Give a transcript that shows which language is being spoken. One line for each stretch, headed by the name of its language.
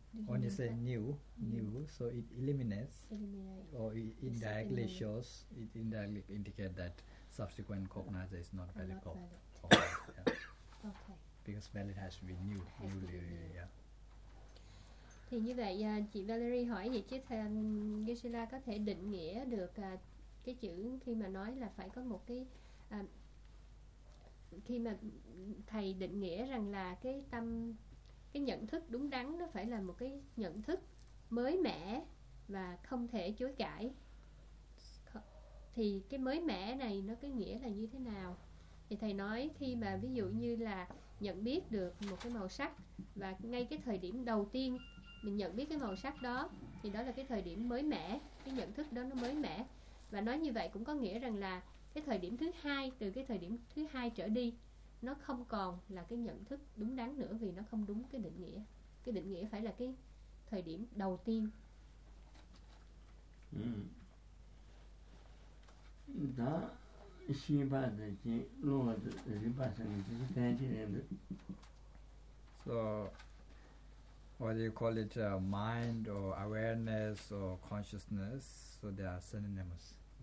English: when you say new, so it eliminates, or indirectly shows, it indirectly indicates that subsequent cognizer is not valid. Not valid. Okay, yeah. Okay. Because valid has to be new. Newly, to be new. Yeah.
Vietnamese: Thì như vậy, chị Valerie hỏi vậy chứ thầy Gisela có thể định nghĩa được cái chữ khi mà nói là phải có một cái khi mà thầy định nghĩa rằng là cái tâm, cái nhận thức đúng đắn nó phải là một cái nhận thức mới mẻ và không thể chối cãi. Thì cái mới mẻ này nó cái nghĩa là như thế nào? Thì thầy nói khi mà ví dụ như là nhận biết được một cái màu sắc, và ngay cái thời điểm đầu tiên mình nhận biết cái màu sắc đó thì đó là cái thời điểm mới mẻ, cái nhận thức đó nó mới mẻ. Và nói như vậy cũng có nghĩa rằng là cái thời điểm thứ hai, từ cái thời điểm thứ hai trở đi, nó không còn là cái nhận thức đúng đắn nữa, vì nó không đúng cái định nghĩa. Cái định nghĩa phải là cái thời điểm đầu tiên. Đó, xí ba thì chỉ lô thì xí ba sẽ chỉ thấy chỉ nên được.
English: So, what do you call it, mind or awareness or consciousness, so they are synonymous.